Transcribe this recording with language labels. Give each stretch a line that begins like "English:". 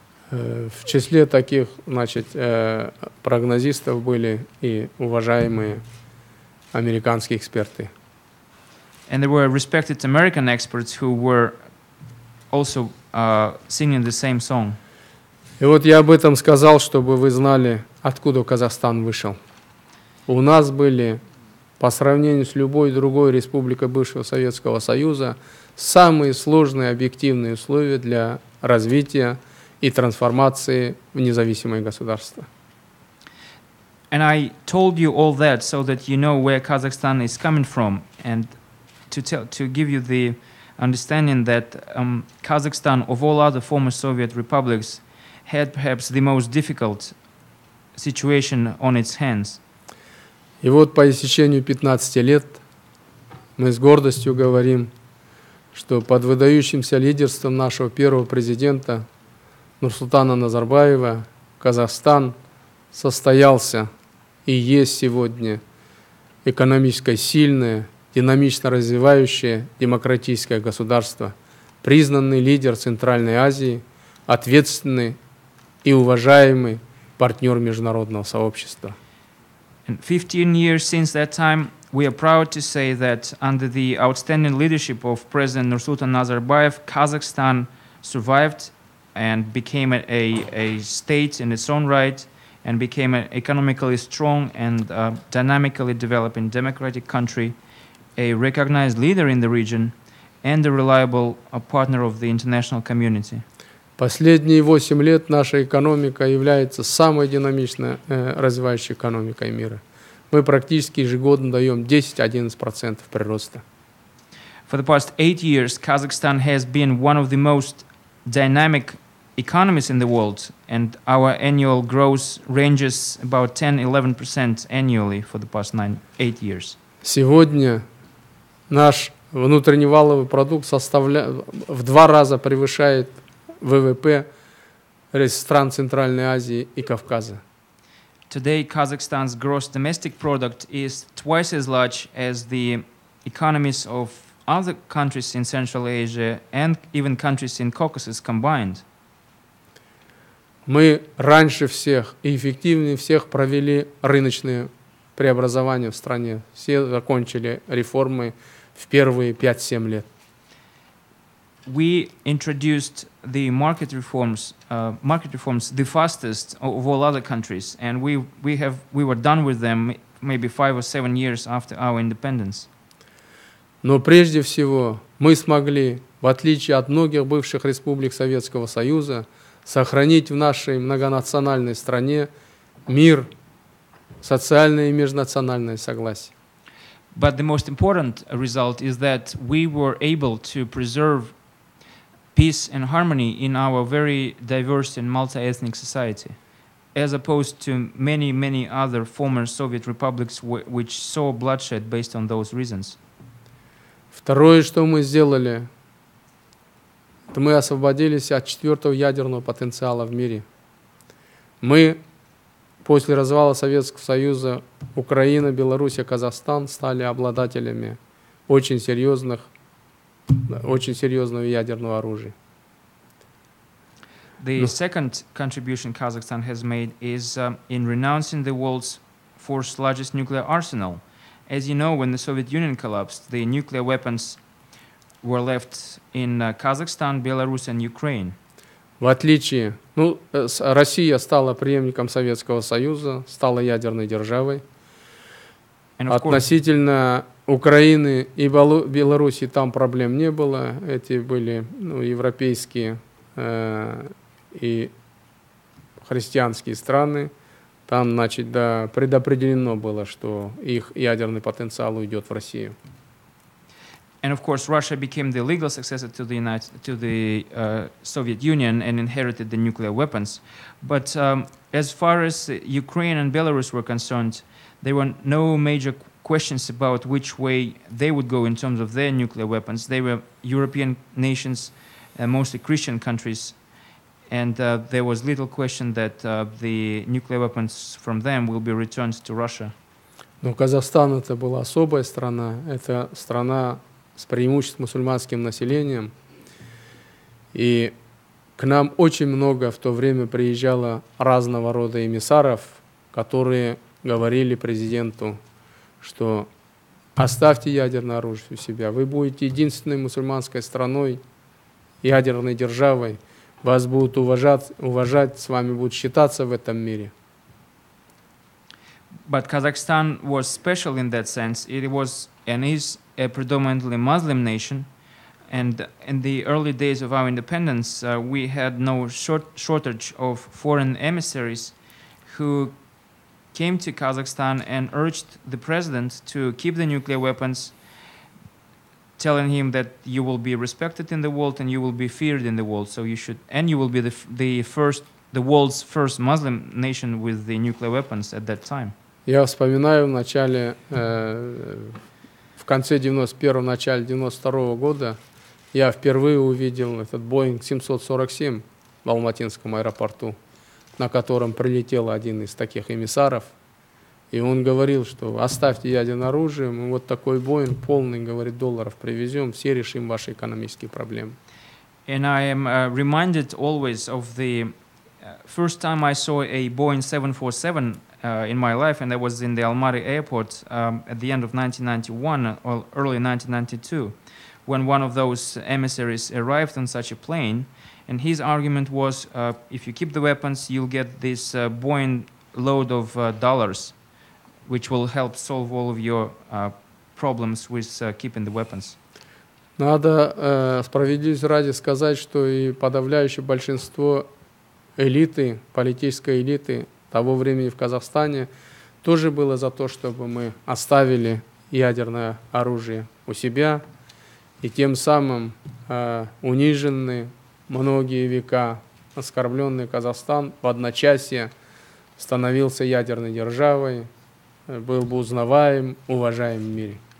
Russian: В числе таких, значит, прогнозистов были и уважаемые американские эксперты.
English: And there were respected American experts who were also singing the same song.
Russian: И вот я об этом сказал, чтобы вы знали, откуда Казахстан вышел. У нас были, по сравнению с любой другой республикой бывшего Советского Союза, самые сложные объективные условия для развития и трансформации в независимое государство.
English: And I told you all that so that you know where Kazakhstan is coming from, and to give you the understanding that Kazakhstan, of all other former Soviet republics, had perhaps the most difficult situation on its hands.
Russian: И вот по истечению 15 лет мы с гордостью говорим, что под выдающимся лидерством нашего первого президента Нурсултана Назарбаева Казахстан состоялся и есть сегодня экономически сильное, динамично развивающее демократическое государство, признанный лидер Центральной Азии, ответственный и уважаемый партнер международного сообщества.
English: 15 years since that time, we are proud to say that under the outstanding leadership of President Nursultan Nazarbayev, Kazakhstan survived and became a state in its own right and became an economically strong and dynamically developing democratic country, a recognized leader in the region and a reliable partner of the international community.
Russian: Последние 8 лет наша экономика является самой динамично развивающей экономикой мира. Мы практически ежегодно даем 10-11% прироста.
English: For the past 8 years, Kazakhstan has been one of the most dynamic economies in the world, and our annual growth ranges about 10-11% annually for the past 8 years.
Russian: Сегодня наш внутренний валовый продукт в два раза превышает ВВП стран Центральной Азии и Кавказа.
English: Today Kazakhstan's gross domestic product is twice as large as the economies of other countries in Central Asia and even countries in Caucasus combined.
Russian: Мы раньше всех и эффективнее всех провели рыночные преобразования в стране. Все закончили реформы в первые 5-7 лет.
English: We introduced the market reforms the fastest of all other countries, and we were done with them maybe 5 or 7 years after our independence.
Russian: Но прежде всего мы смогли, в отличие от многих бывших республик Советского Союза, сохранить в нашей многонациональной стране мир, социальное и межнациональное согласие.
English: But the most important result is that we were able to preserve peace and harmony in our very diverse and multi-ethnic society, as opposed to many, many other former Soviet republics which saw bloodshed based on those reasons.
Russian: Второе, что мы сделали, это мы освободились от четвертого ядерного потенциала в мире. Мы после развала Советского Союза, Украина, Белоруссия, Казахстан стали обладателями очень серьезного ядерного оружия.
English: The second contribution Kazakhstan has made is in renouncing the world's fourth largest nuclear arsenal. As you know, when the Soviet Union collapsed, the nuclear weapons were left in Kazakhstan, Belarus, and Ukraine.
Russian: В отличие, ну, Россия стала преемником Советского Союза, стала ядерной державой.
English: And of
Russian: относительно
English: course,
Russian: Украины и Белоруссии там проблем не было. Эти были, ну, европейские и христианские страны. Там, значит, да, предопределено было, что их ядерный потенциал уйдет в Россию.
English: And of course, Russia became the legal successor to the United, to the Soviet Union and inherited the nuclear weapons. But as far as Ukraine and Belarus were concerned, there were no major questions about which way they would go in terms of their nuclear weapons. They were European nations, mostly Christian countries, and there was little question that the nuclear weapons from them will be returned to Russia.
Russian: Но Казахстан — это была особая страна. Это страна с преимущественно мусульманским населением. И к нам очень много в то время приезжало разного рода эмиссаров, которые говорили президенту, что оставьте ядерное оружие у себя. Вы будете единственной мусульманской страной, ядерной державой. Вас будут уважать, с вами будут считаться в этом мире.
English: But Kazakhstan was special in that sense. It was and is a predominantly Muslim nation. And in the early days of our independence, we had no shortage of foreign emissaries who came to Kazakhstan and urged the president to keep the nuclear weapons, telling him that you will be respected in the world and you will be feared in the world. So you should, and you will be the world's first Muslim nation with the nuclear weapons at that time.
Russian: Я вспоминаю в начале, в конце 91-го, начале 92-го года, я впервые увидел этот Boeing 747 в Алматинском аэропорту, на котором прилетел один из таких эмиссаров, и он говорил, что оставьте ядерное оружие, мы вот такой Boeing полный, говорит, долларов привезем, все решим ваши экономические проблемы.
English: And I am reminded always of the first time I saw a Boeing 747 in my life, and that was in the Almaty airport at the end of 1991 or early 1992, when one of those emissaries arrived on such a plane, and his argument was, if you keep the weapons, you'll get this Boeing load of dollars, which will help solve all of your problems with keeping the weapons.
Russian: Надо справедливости ради сказать, что и подавляющее большинство элиты, политической элиты того времени в Казахстане тоже было за то, чтобы мы оставили ядерное оружие у себя, и тем самым униженные многие века оскорбленный Казахстан в одночасье становился ядерной державой, был бы узнаваем, уважаем в мире.